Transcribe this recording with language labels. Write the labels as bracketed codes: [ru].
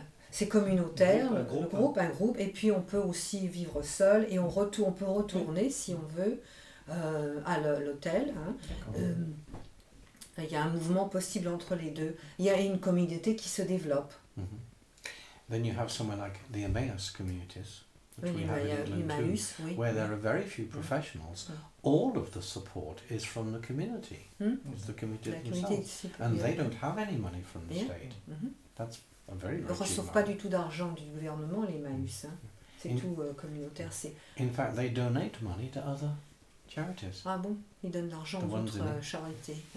[fr] C'est comme une hôtel, un groupe, et puis on peut aussi vivre seul, et on peut retourner si on veut, à l'hôtel. Il y a un mouvement possible entre les deux. Il y a une communauté qui se développe. [en] Then you have somewhere like the Emmaus communities, which [fr] oui, [en] we have in England Emmaus, too, [fr] oui. [en] Where [fr] oui. [en] there are very few professionals. [fr] Oui. [en] All of the support is from the community. It's the community themselves. And they don't have any money from the state. That's a very rich. [fr] Ils ne reçoivent pas du tout d'argent du gouvernement, les Emmaus. C'est tout communautaire. [en] In fact, they donate money to other... charities. [fr] Ah bon, ils donnent l'argent à votre charité.